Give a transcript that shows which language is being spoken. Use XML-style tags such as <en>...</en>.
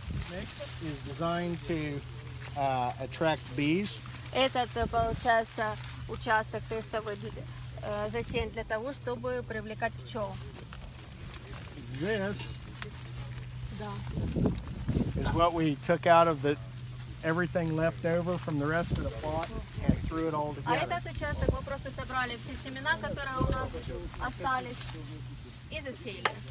<en>Mix is designed to attract bees.</en> <ru>Этот, получается, участок тестовый засеян для того, чтобы привлекать пчел.</ru> <en>This is what we took out of the everything left over from the rest of the plot and threw it all together.</en> <ru>А этот участок мы просто собрали все семена, которые у нас остались, и засеяли.</ru>